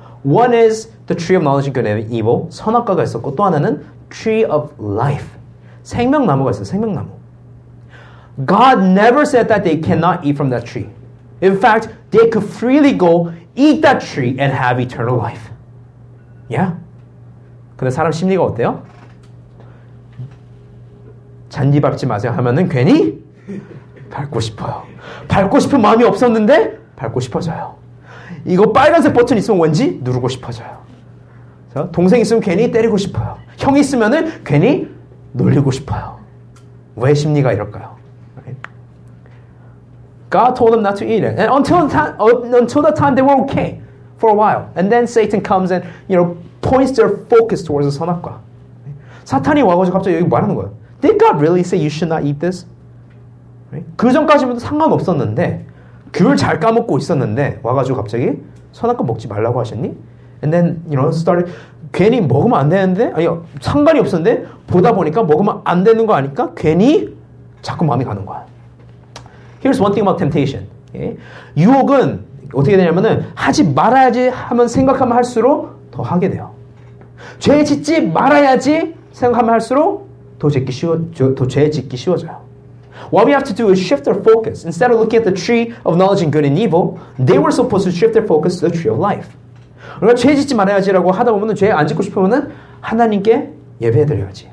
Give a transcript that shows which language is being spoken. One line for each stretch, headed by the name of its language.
English: One is the tree of knowledge of good and evil.
Korean: 선악과가 있었고 또 하나는
English: tree of life.
Korean: 생명나무가 있어요. 생명나무.
English: God never said that they cannot eat from that tree. In fact, they could freely go eat that tree and have eternal life. Yeah?
Korean: 근데 사람 심리가 어때요? 잔디밟지 마세요 하면은 괜히 밟고 싶어요. 밟고 싶은 마음이 없었는데 밟고 싶어져요. 이거 빨간색 버튼 있으면 왠지 누르고 싶어져요. 자, 동생 있으면 괜히 때리고 싶어요. 형 있으면은 괜히 놀리고 싶어요. 왜 심리가 이럴까요?
English: God told them not to eat it. And until that time, they were okay for a while. And then Satan comes and, you know, points their focus towards the 선악과.
Korean: 사탄이 와가지고 갑자기 여기 말하는 거예요.
English: Did God really say you should not eat this?
Korean: 그 전까지는 상관없었는데 귤 잘 까먹고 있었는데 와가지고 갑자기 선악과 먹지 말라고 하셨니?
English: And then, you know, started
Korean: 괜히 먹으면 안 되는데 아니요 상관이 없었는데 보다 보니까 먹으면 안 되는 거 아니까 괜히 자꾸 마음이 가는 거야.
English: Here's one thing about temptation. Okay?
Korean: 유혹은 어떻게 되냐면은 하지 말아야지 하면 생각하면 할수록 더 하게 돼요. 죄 짓지 말아야지 생각하면 할수록 더 죄 짓기 쉬워져요.
English: What we have to do is shift their focus. Instead of looking at the tree of knowledge and good and evil, they were supposed to shift their focus to the tree of life.
Korean: 우리가 죄 짓지 말아야지라고 하다 보면 죄 안 짓고 싶으면 하나님께 예배해드려야지.